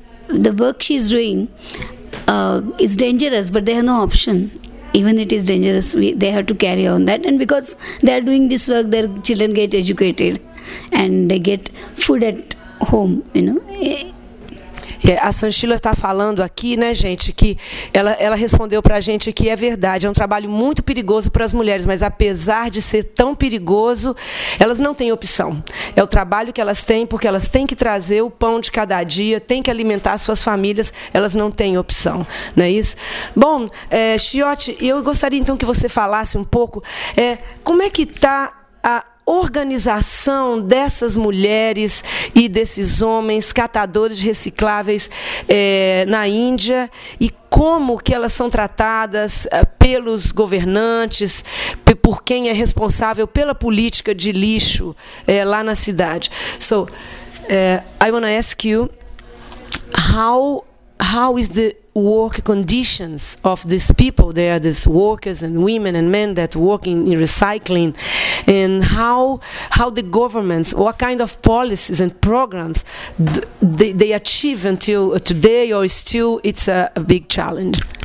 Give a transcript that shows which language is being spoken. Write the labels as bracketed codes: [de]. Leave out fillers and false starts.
[en] The work she is doing is dangerous, but they have no option. Even it is dangerous, they have to carry on that. And because they are doing this work, their children get educated and they get food at home, you know. [pt] A Sushila está falando aqui, né, gente, que ela respondeu para a gente que é verdade, é um trabalho muito perigoso para as mulheres, mas apesar de ser tão perigoso, elas não têm opção. É o trabalho que elas têm, porque elas têm que trazer o pão de cada dia, têm que alimentar suas famílias, elas não têm opção, não é isso? Bom, Chiote, eu gostaria então que você falasse um pouco como é que está organização dessas mulheres e desses homens catadores de recicláveis na Índia e como que elas são tratadas pelos governantes, por quem é responsável pela política de lixo lá na cidade. [en] So, I want to ask you, how is the work conditions of these people there, these workers and women and men that work in recycling, and how the governments, what kind of policies and programs they achieve until today, or still it's a big challenge?